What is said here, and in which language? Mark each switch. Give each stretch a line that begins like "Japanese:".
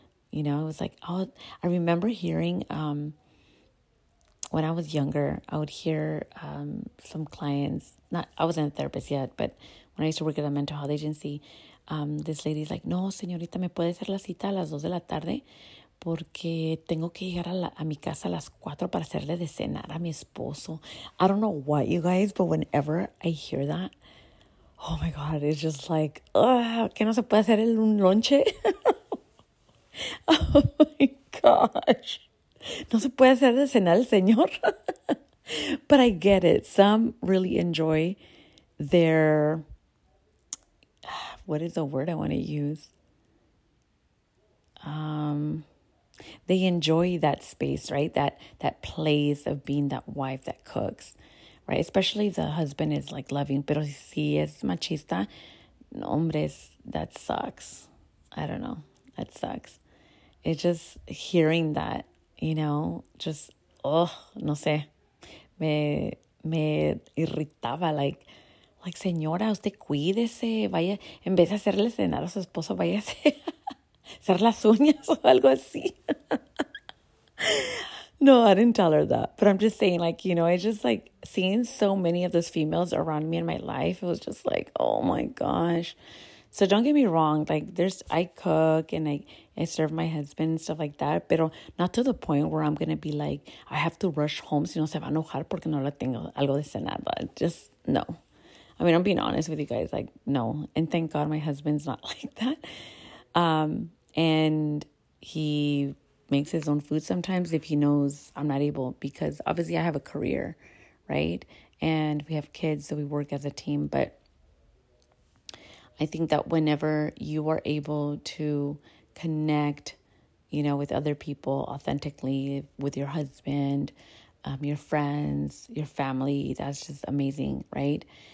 English: You know, it was like, oh, I remember hearing when I was younger, I would hear some clients, I wasn't a therapist yet, but when I used to work at a mental health agency, this lady's like,
Spanish: no, señorita, ¿me puede hacer la cita a las 2 de la tarde? Porque tengo que llegar a mi casa a las 4 para hacerle de cenar a mi esposo.
English: I don't know what, you guys, but whenever I hear that, oh my God, it's just like,
Spanish: ¿qué no se puede hacer el un lonche?
English: Oh my gosh.
Spanish: ¿No se puede hacer de cenar el señor?
English: But I get it. Some really enjoy their, what is the word I want to use? They enjoy that space, right? That place of being that wife that cooks, right? Especially if the husband is like loving.
Spanish: Pero si es machista, no, hombres,
English: that sucks. I don't know. That sucks. It's just hearing that, you know, just, oh,
Spanish: no sé. Me irritaba, like, señora, usted cuídese. Vaya, en vez de hacerle cenar a su esposo, váyase. Ser las uñas o algo así.
English: No, I didn't tell her that. But I'm just saying, like, you know, it's just like seeing so many of those females around me in my life. It was just like, oh my gosh. So don't get me wrong. Like, there's, I cook and I serve my husband and stuff like that. Pero not to the point where I'm going to be like, I have to rush home.
Spanish: Si no se va a enojar porque no le tengo algo de cenar.
English: But just, no. I mean, I'm being honest with you guys. Like, no. And thank God my husband's not like that. And he makes his own food sometimes if he knows I'm not able, because obviously I have a career, right? And we have kids, so we work as a team. But I think that whenever you are able to connect, you know, with other people authentically, with your husband, your friends, your family, that's just amazing, right?